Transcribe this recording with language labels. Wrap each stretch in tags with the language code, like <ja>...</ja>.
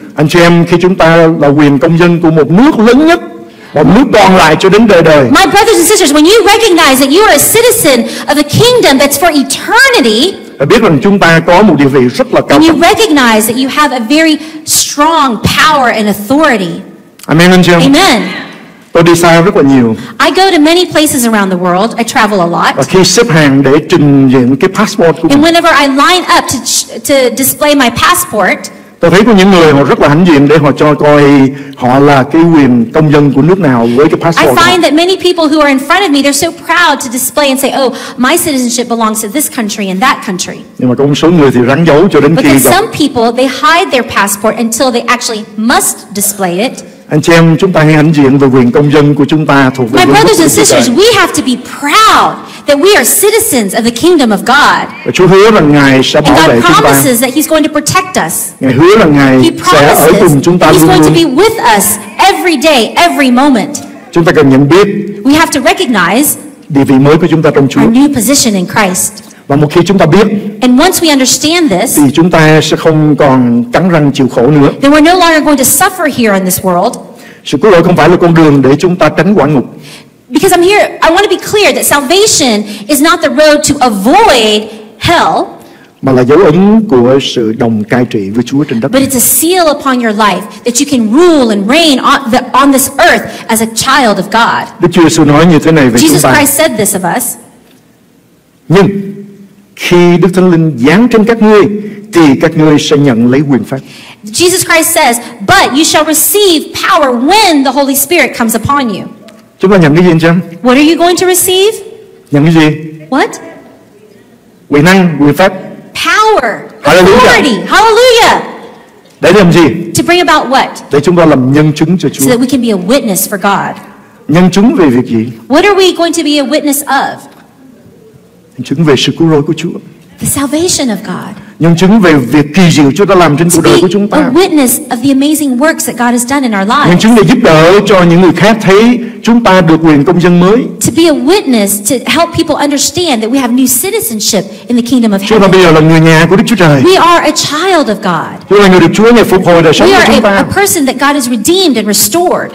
<vi>Anh chị em, khi chúng ta là quyền công dân của một nước lớn nhất, một nước còn lại cho đến đời đời.</vi> <en>My brothers and sisters, when you recognize that you are a citizen of a kingdom that's for eternity,</en> <vi>và biết rằng chúng ta có một địa vị rất là cao.</vi> <en>And you recognize that you have a very strong power and authority.</en> <vi>Amen, anh chị em.</vi> <en>Amen.</en> <vi>Tôi đi xa rất là nhiều.</vi> <en>I go to many places around the world. I travel a lot.</en> <vi>Và khi xếp hàng để trình diện cái passport của mình.</vi> <en>And whenever I line up to display my passport.</en> <vi>Tôi thấy có những người họ rất là hãnh diện để họ cho coi họ là cái quyền công dân của nước nào với cái passport.</vi> <en>I find that many people who are in front of me, they're so proud to display and say, "Oh, my citizenship belongs to this country and that country."</en> <vi>Nhưng mà có một số người thì rắn giấu cho đến khi.</vi> <en>But some people they hide their passport until they actually must display it.</en> <vi>Anh chị em, chúng ta hãy hãnh diện về quyền công dân của chúng ta thuộc về</vi> <en>Chúa. My brothers and sisters, we have to be proud that we are citizens of the kingdom of God.</en> <vi>Và Chúa hứa rằng Ngài sẽ bảo vệ chúng ta.</vi> <en>And God promises that He's going to protect us.</en> <vi>Ngài hứa rằng Ngài sẽ ở cùng chúng ta luôn luôn.</vi> <en>He's going to be with us every day, every moment.</en> <vi>Chúng ta cần nhận biết.</vi> <en>We have to recognize</en> <vi>địa vị mới của chúng ta trong Chúa.</vi> <en>Our new position in Christ.</en> <vi>Và một khi chúng ta biết,</vi> <en>and once we understand this,</en> <vi>thì chúng ta sẽ không còn cắn răng chịu khổ nữa.</vi> <en>Then we're no longer going to suffer here in this world.</en> <vi>Sự cứu rỗi không phải là con đường để chúng ta tránh quả ngục.</vi> <en>Because I'm here, I want to be clear that salvation is not the road to avoid hell.</en> <vi>Mà là dấu ấn của sự đồng cai trị với Chúa trên đất.</vi> <en>But it's a seal upon your life that you can rule and reign on this earth as a child of God.</en> <vi>Đức Chúa Jesus nói như thế này về Jesus chúng ta.</vi> <en>Jesus Christ said this of us.</en> <vi>Nhưng khi Đức Thánh Linh giáng trên các ngươi, thì các ngươi sẽ nhận lấy quyền phép.</vi> <en>Jesus Christ says, but you shall receive power when the Holy Spirit comes upon you.</en> <vi>Chúng ta nhận cái gì anh chị em?</vi> <en>What are you going to receive?</en> <vi>Nhận cái gì?</vi> <en>What?</en> <vi>Quyền năng, quyền phép.</vi> <en>Power. Hallelujah. Authority. Hallelujah.</en> <vi>Để làm gì?</vi> <en>To bring about what?</en> <vi>Để chúng ta làm nhân chứng cho Chúa.</vi> <en>So that we can be a witness for God.</en> <vi>Nhân chứng về việc gì?</vi> <en>What are we going to be a witness of?</en> <vi>Chứng về sự cứu rỗi của Chúa.</vi> <en>The salvation of God.</en> <vi>Nhân chứng về việc kỳ diệu Chúa đã làm trên cuộc đời của chúng ta.</vi> <en>A witness of the amazing works that God has done in our lives.</en> <vi>Nhân chứng để giúp đỡ cho những người khác thấy chúng ta được quyền công dân mới.</vi> <en>To be a witness to help people understand that we have new citizenship in the kingdom of heaven.</en> <vi>Chúng ta bây giờ là người nhà của Đức Chúa Trời.</vi> <en>We are a child of God.</en> <vi>Chúng ta là người được Chúa ngài phục hồi đời sống của chúng ta.</vi> <en>We are a person that God has redeemed and restored.</en>